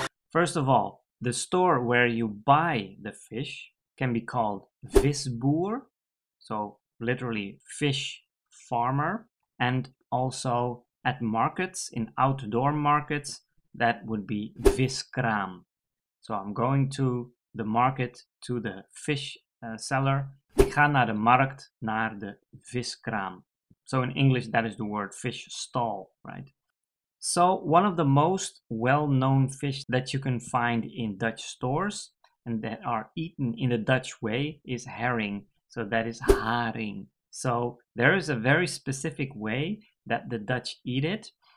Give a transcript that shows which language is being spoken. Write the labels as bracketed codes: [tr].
[en] First of all, the store where you buy the fish can be called visboer, so literally fish farmer, and also at markets, in outdoor markets, that would be viskraam. So I'm going to the market to the fish seller. [nl] Ik ga naar de markt naar de viskraam. [en] So in English, that is the word fish stall, right? So one of the most well-known fish that you can find in Dutch stores and that are eaten in a Dutch way is haring. So that is haring. So there is a very specific way that the Dutch eat it.